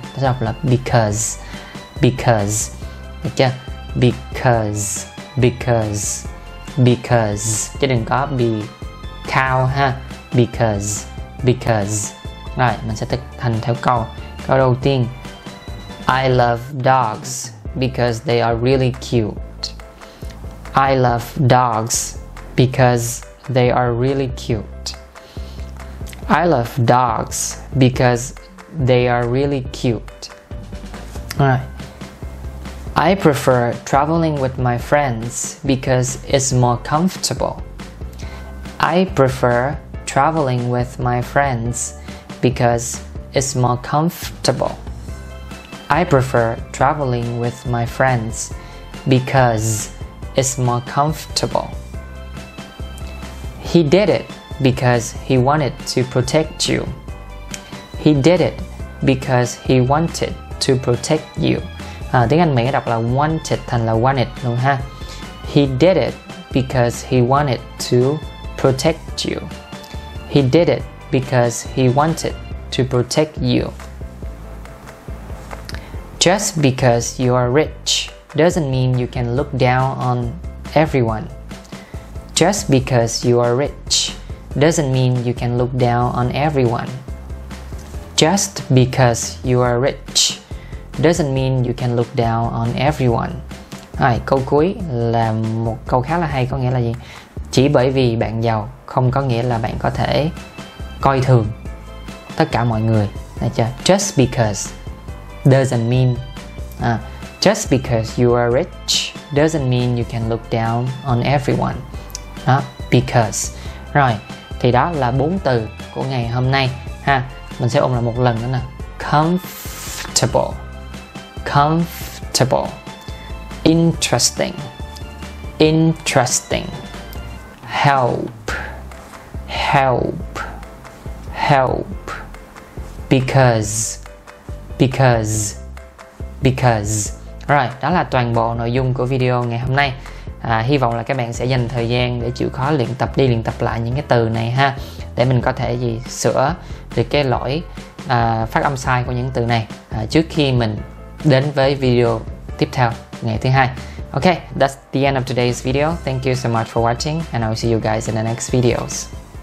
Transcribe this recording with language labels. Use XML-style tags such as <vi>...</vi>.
<vi>Nó sẽ đọc là because. Because. Được chưa?</vi> <en>Because. Because. Because.</en> <vi>Chứ đừng có because ha. Because. Because. Rồi, mình sẽ thực hành theo câu. Câu đầu tiên.</vi> <en>I love dogs because they are really cute. I love dogs because they are really cute. I love dogs because they are really cute. I prefer traveling with my friends because it's more comfortable. I prefer traveling with my friends because it's more comfortable. I prefer traveling with my friends because it's more comfortable. He did it because he wanted to protect you. He did it because he wanted to protect you.</en> <vi>À, tiếng Anh mình đọc là wanted thành là wanted luôn ha.</vi> <en>He did it because he wanted to protect you. He did it because he wanted to protect you. Just because you are rich doesn't mean you can look down on everyone. Just because you are rich doesn't mean you can look down on everyone. Just because you are rich doesn't mean you can look down on everyone.</en> <vi>Rồi, câu cuối là một câu khá là hay, có nghĩa là gì? Chỉ bởi vì bạn giàu không có nghĩa là bạn có thể coi thường tất cả mọi người. Đấy chưa?</vi> <en>Just because doesn't mean just because you are rich doesn't mean you can look down on everyone. Because.</en> <vi>Rồi, thì đó là bốn từ của ngày hôm nay ha. Mình sẽ ôn lại một lần nữa nè.</vi> <en>Comfortable. Comfortable. Interesting. Interesting. Help. Help. Help. Because. Because. Because.</en> <vi>Rồi, đó là toàn bộ nội dung của video ngày hôm nay. À, hy vọng là các bạn sẽ dành thời gian để chịu khó luyện tập đi luyện tập lại những cái từ này ha, để mình có thể gì sửa được cái lỗi phát âm sai của những từ này trước khi mình đến với video tiếp theo ngày thứ hai.</vi> <en>Okay, that's the end of today's video. Thank you so much for watching and I'll see you guys in the next videos.</en>